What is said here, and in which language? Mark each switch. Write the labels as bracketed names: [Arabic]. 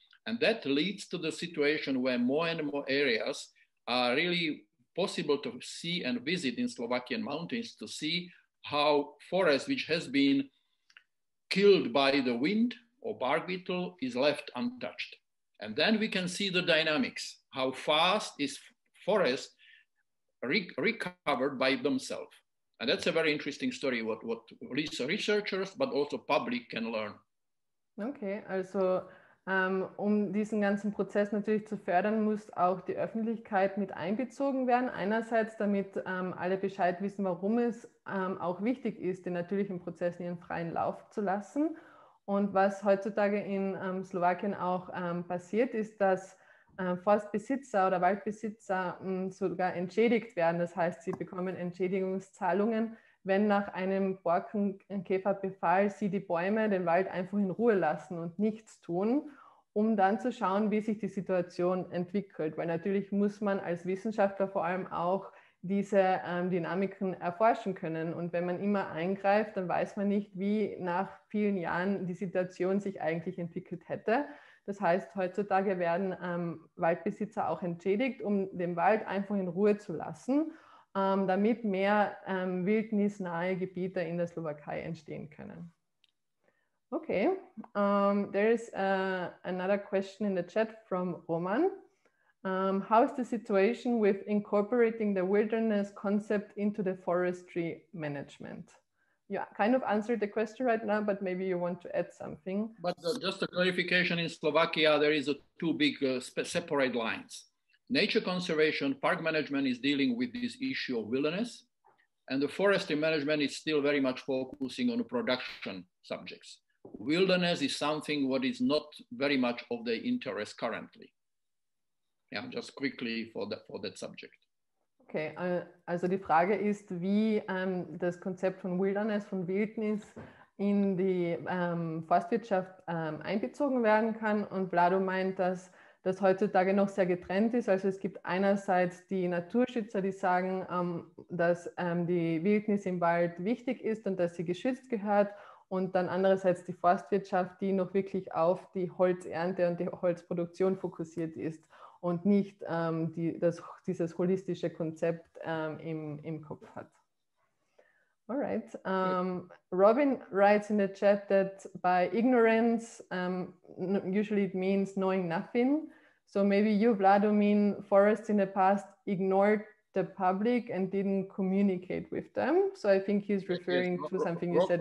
[English] And that leads to the situation where more and more areas are really possible to see and visit in Slovakian mountains, to see how forest, which has been killed by the wind or bark beetle, is left untouched. And then we can see the dynamics, how fast is forest recovered by themselves. And that's a very interesting story, what researchers, but also public can learn. [German] Okay, also, um diesen ganzen Prozess natürlich zu fördern, muss auch die Öffentlichkeit mit einbezogen werden. Einerseits, damit alle Bescheid wissen, warum es auch wichtig ist, den natürlichen Prozess in ihren freien Lauf zu lassen. Und was heutzutage in Slowakien auch passiert, ist, dass Forstbesitzer oder Waldbesitzer sogar entschädigt werden. Das heißt, sie bekommen Entschädigungszahlungen, wenn nach einem Borkenkäferbefall sie die Bäume, den Wald einfach in Ruhe lassen und nichts tun, um dann zu schauen, wie sich die Situation entwickelt. Weil natürlich muss man als Wissenschaftler vor allem auch diese Dynamiken erforschen können. Und wenn man immer eingreift, dann weiß man nicht, wie nach vielen Jahren die Situation sich eigentlich entwickelt hätte. Das heißt, heutzutage werden Waldbesitzer auch entschädigt, um den Wald einfach in Ruhe zu lassen, damit mehr wildnisnahe Gebiete in der Slowakei entstehen können. [English] Okay, there is another question in the chat from Roman. How is the situation with incorporating the wilderness concept into the forestry management? You kind of answered the question right now, but maybe you want to add something. But just a clarification, in Slovakia, there is a two big separate lines. Nature conservation, park management is dealing with this issue of wilderness, and the forestry management is still very much focusing on production subjects. Wilderness is something what is not very much of their interest currently. Yeah, just quickly for that subject. [German] Okay, also die Frage ist, wie das Konzept von Wilderness, von Wildnis in die Forstwirtschaft einbezogen werden kann. Und Vlado meint, dass das heutzutage noch sehr getrennt ist. Also es gibt einerseits die Naturschützer, die sagen, dass die Wildnis im Wald wichtig ist und dass sie geschützt gehört. Und dann andererseits die Forstwirtschaft, die noch wirklich auf die Holzernte und die Holzproduktion fokussiert ist und nicht dieses holistische Konzept im Kopf hat. [English] All right. Robin writes in the chat that by ignorance, usually it means knowing nothing. So maybe you, Vlado, mean forests in the past ignored the public and didn't communicate with them. So I think he's referring to something you said